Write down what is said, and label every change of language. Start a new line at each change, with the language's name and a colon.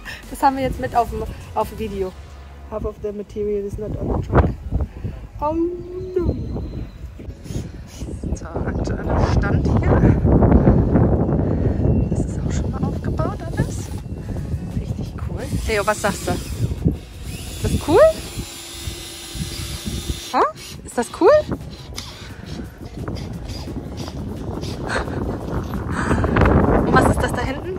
German: Das haben wir jetzt mit auf Video.
English: Half of the material is not on the truck. Oh no!
German: So, aktueller Stand hier. Das ist auch schon mal aufgebaut alles. Richtig cool. Leo, was sagst du? Ist das cool? Ist das cool? Und was ist das da hinten?